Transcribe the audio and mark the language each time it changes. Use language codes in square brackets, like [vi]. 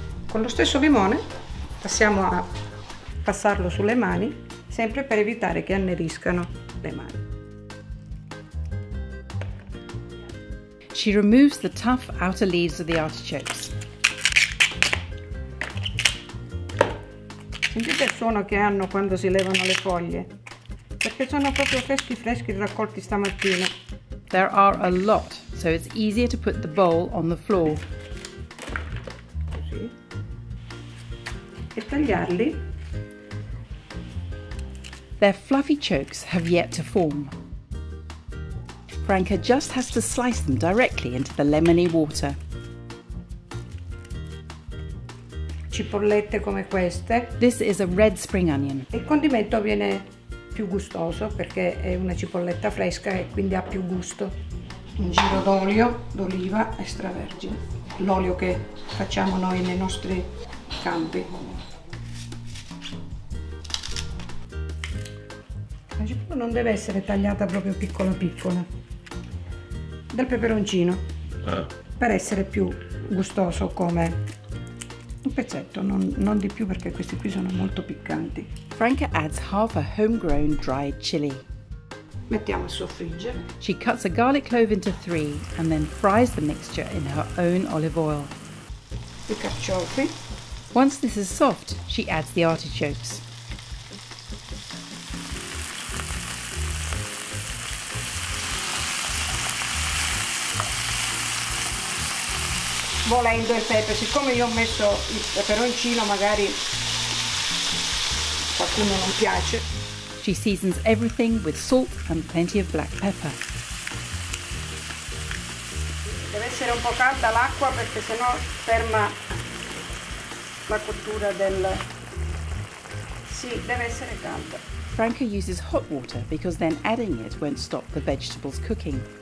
[it] Con lo stesso limone passiamo a passarlo sulle mani, sempre per evitare che anneriscano le mani. [en] She removes the tough outer leaves of the artichokes. [it] Sentite il suono che hanno quando si levano le foglie? Perché sono proprio freschi freschi raccolti stamattina. [en] There are a lot, so it's easier to put the bowl on the floor. [it] Così. E tagliarli. [en] Their fluffy chokes have yet to form. Franca just has to slice them directly into the lemony water. [it] Cipollette come queste. [en] This is a red spring onion. [it] Il condimento viene più gustoso perché è una cipolletta fresca e quindi ha più gusto. Un giro d'olio d'oliva extravergine, l'olio che facciamo noi nei nostri campi. La cipolla non deve essere tagliata proprio piccola piccola. Del peperoncino per essere più gustoso, come un pezzetto, non di più perché questi qui sono molto piccanti. [en] Franca adds half a homegrown dried chilli. [it] Mettiamo a soffriggere. [en] She cuts a garlic clove into three and then fries the mixture in her own olive oil. [it] I carciofi. [en] Once this is soft, she adds the artichokes. [it] Volendo il pepe, siccome io ho messo il peperoncino, magari qualcuno non piace. [en] She seasons everything with salt and plenty of black pepper. [it] Deve essere un po' calda l'acqua perché sennò ferma la cottura del... Sì, deve essere calda. [en] Franca uses hot water because then adding it won't stop the vegetables cooking.